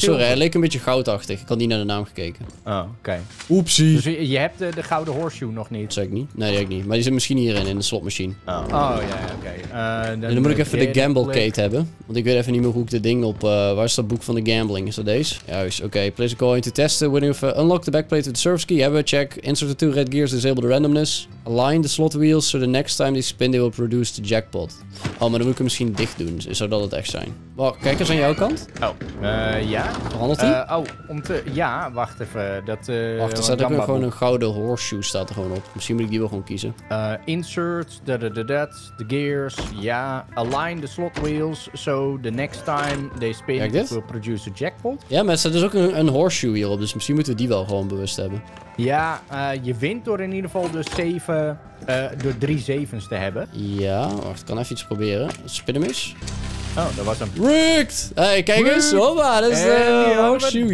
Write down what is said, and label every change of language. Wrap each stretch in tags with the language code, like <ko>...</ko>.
<nl>Sorry, hij leek een beetje goudachtig. Ik had niet naar de naam gekeken. Oh, oké. Okay. Oepsie. Dus je hebt de gouden horseshoe nog niet? Zeg ik niet. Nee, die heb ik niet. Maar die zit misschien hierin, in de slotmachine. Oh, ja, oké. Okay. Dan moet ik even de gamble gate hebben. Want ik weet even niet meer hoe ik de ding op... waar is dat boek van de gambling? Is dat deze? Juist, oké. Okay.</nl> <en>Place a coin to test the winning of unlock the backplate with the service key.</en> <nl>Hebben we check.</nl> <en>Insert the 2 red gears, disable the randomness. Align the slot wheels so the next time they spin they will produce the jackpot.</en> <nl>Oh, maar dan moet ik hem misschien dicht doen. Zou dat het echt zijn? Wacht, kijk eens aan jouw kant. Oh. Ja. Verandert die? Wacht even. Wacht, er staat ook weer gewoon een gouden horseshoe staat er gewoon op. Misschien moet ik die wel gewoon kiezen.</nl> <en>Insert, the gears, ja. Align the slot wheels, so the next time they spin,</en> <nl>kijk dit, it</nl> <en>will produce a jackpot.</en> <nl>Ja, maar er staat dus ook een horseshoe hierop, dus misschien moeten we die wel gewoon bewust hebben. Ja, je wint door in ieder geval dus 7, door 3 zevens te hebben. Ja, wacht, ik kan even iets proberen. Spin hem eens. Oh, dat was hem. Rigged! Hey, kijk eens. Hoppa, dat is de horseshoe.</nl>